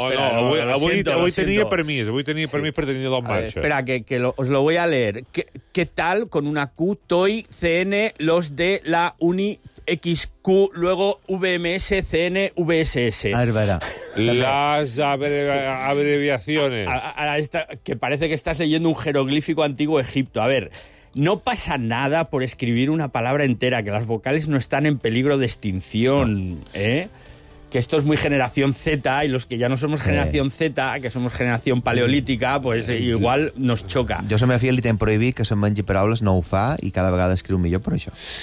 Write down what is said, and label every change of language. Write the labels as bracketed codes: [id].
[ca] Avui tenia permís per tenir-lo en marxa. [es] Espera, que os lo voy a leer. ¿Qué tal con una Q, TOI, CN, los de la uni, XQ, luego VMS, CN, VSS. Álvaro. Las abreviaciones. Que parece que estás leyendo un jeroglífico antiguo Egipto. A ver, no pasa nada por escribir una palabra entera, que las vocales no están en peligro de extinción, ¿eh? Que esto es muy generación Z, y los que ya no somos generación Z, que somos generación paleolítica, pues igual nos choca. [ca] Jo som fiel i t'hem prohibit que se'n mengi paraules, no ho fa, i cada vegada escriu millor per això.